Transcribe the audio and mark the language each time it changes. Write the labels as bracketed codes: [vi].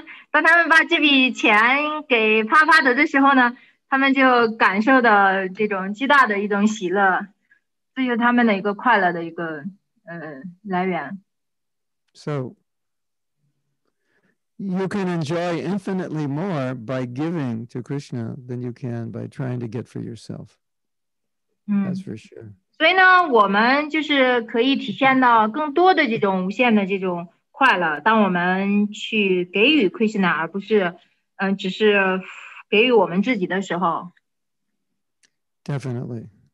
[zh] 当他们把这笔钱给帕帕德的时候呢，他们就感受到这种巨大的一种喜乐，这是他们的一个快乐的一个来源。 [en] So, you can enjoy infinitely more by giving to Krishna than you can by trying to get for yourself. That's for sure. [zh] 所以呢，我们就是可以体现到更多的这种无限的这种快乐。当我们去给予 Krishna， 而不是，只是给予我们自己的时候。 [en] Definitely。